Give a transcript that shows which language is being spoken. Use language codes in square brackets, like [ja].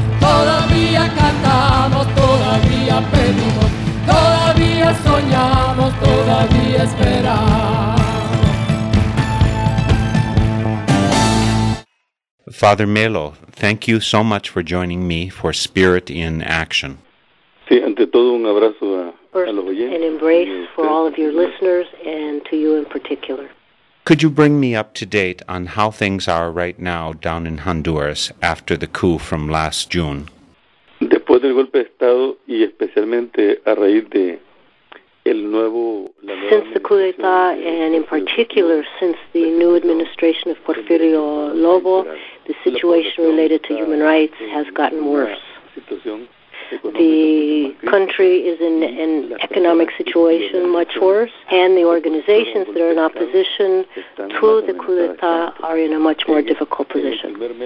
[es] Todavía cantamos, todavía pedimos, todavía soñamos, todavía esperamos. [en] Father Melo, thank you so much for joining me for Spirit in Action. [es] Sí, ante todo un abrazo a los oyentes. [en] An embrace for all of your listeners and to you in particular. Could you bring me up to date on how things are right now down in Honduras after the coup from last June? [es] Después del golpe de Estado y especialmente a raíz de el nuevo... [en] Since the coup d'etat and in particular since the new administration of Porfirio Lobo, the situation related to human rights has gotten worse. The country is in an economic situation much worse, and the organizations that are in opposition to the coup d'etat are in a much more difficult position.